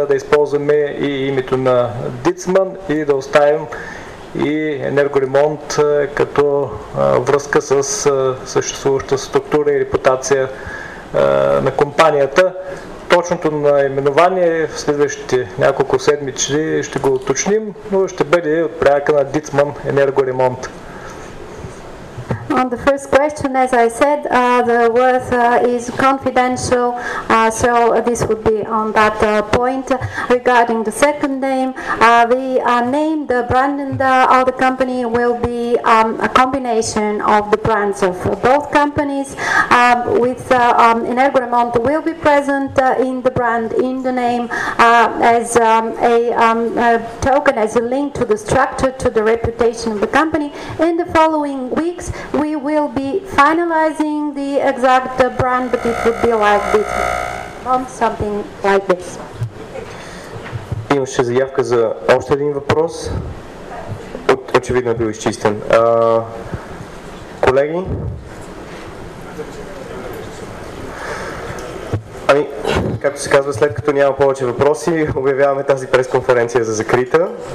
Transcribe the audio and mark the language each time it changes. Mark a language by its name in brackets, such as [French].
[Bulgarian] да използваме и името на Ditman и да оставим и Енергоремонт като връзка с съществуваща структура и репутация на компанията. Точното наименование в следващите няколко седмици ще го уточним, но ще бъде от порядъка на Ditman Енергоремонт. [English] On the first question, as I said, the worth is confidential, so this would be on that point. Regarding the second name, the brand and of the company will be a combination of the brands of both companies, with Energoremont will be present in the brand, in the name, as a token, as a link to the structure, to the reputation of the company. In the following weeks, we will be finalizing the exact brand, but it would be like this, something like this. [Bulgarian] Имаше заявка за още един въпрос. Очевидно е бил изчистен. Колеги? Ами, както се казва, след като няма повече въпроси, обявяваме тази пресконференция за закрита.